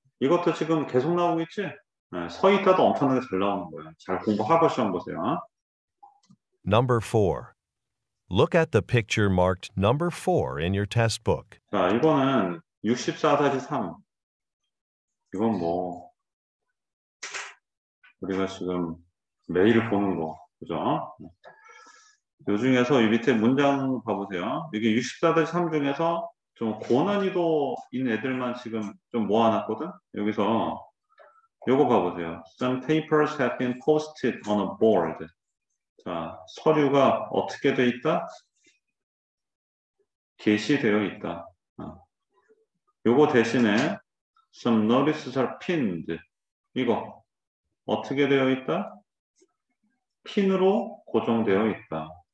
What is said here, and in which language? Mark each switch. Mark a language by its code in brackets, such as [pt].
[ko] 이것도 지금 계속 나오고 있지? 네, 서 있다도 엄청나게 잘 나오는 거예요. 잘 공부하고 시험 보세요. [en] Number 4. Look at the picture marked number 4 in your test book. [ko] 자, 이거는 64-3. 이건 뭐 우리가 지금 메일을 보는 거, 그죠? 요 중에서 이 밑에 문장 봐보세요. 이게 64-3 중에서 좀 고난이도 있는 애들만 지금 좀 모아놨거든? 여기서 요거 봐보세요. [en] Some papers have been posted on a board. [ko] 자, 서류가 어떻게 돼 있다? 게시되어 있다. 요거 대신에 [en] Some notices are pinned. [ko] 이거 어떻게 되어 있다? 핀으로 고정되어 있다.